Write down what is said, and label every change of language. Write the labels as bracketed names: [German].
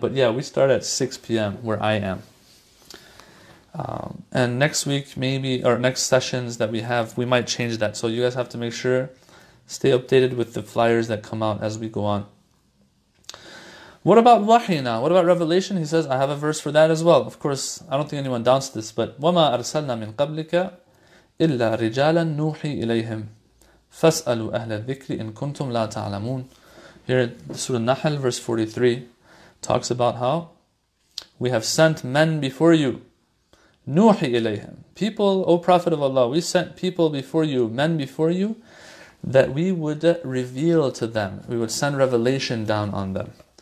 [English] But yeah, we start at 6 p.m. where I am. And next week, maybe, or next sessions that we have, we might change that. So you guys have to make sure, stay updated with the flyers that come out as we go on. What about wahi now? What about revelation? He says, I have a verse for that as well. Of course, I don't think anyone doubts this, but [Arabic] وَمَا أَرْسَلْنَا مِنْ قَبْلِكَ إِلَّا رِجَالًا نُوحِي إِلَيْهِمْ فَاسْأَلُوا أَهْلَ الذِّكْرِ إِن كُنْتُمْ لَا تَعْلَمُونَ. [English] Here, Surah Nahl, verse 43, talks about how we have sent men before you. [Arabic] نُوحِي إِلَيْهِمْ. [English] People, O Prophet of Allah, we sent people before you, men before you, that we would reveal to them. We would send revelation down on them.